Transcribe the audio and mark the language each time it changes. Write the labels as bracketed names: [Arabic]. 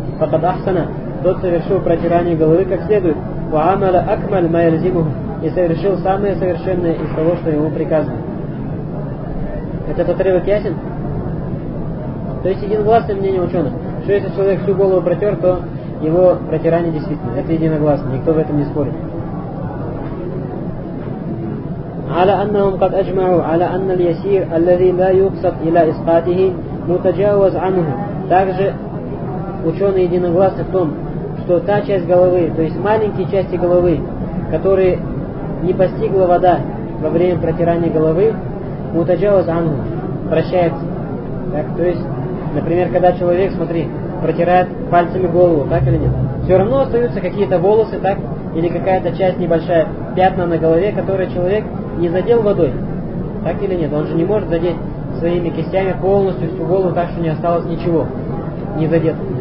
[Arabic] فقد أحسن [Russian] тот совершил протирание головы как следует, [Arabic] وعمل أكمل ما يلزمه, [Russian] и совершил самое совершенное из того, что ему приказано. Этот отрывок ясен? То есть единогласное мнение ученых, что если человек всю голову протер, то его протирание действительно, это единогласно, никто в этом не спорит. [Arabic] على أنهم قد أجمعوا على أن اليسير الذي لا يقصد إلى إسقاطه متجاوز عنه. [Russian] Также ученые единогласны в том, что та часть головы, то есть маленькие части головы, которые не постигла вода во время протирания головы, [Arabic] мутаджауз анху, [Russian] прощается. Так, то есть, например, когда человек, смотри, протирает пальцами голову, так или нет, все равно остаются какие-то волосы, так, или какая-то часть небольшая, пятна на голове, которые человек не задел водой, так или нет, он же не может задеть своими кистями полностью всю голову, так что не осталось ничего, не задет.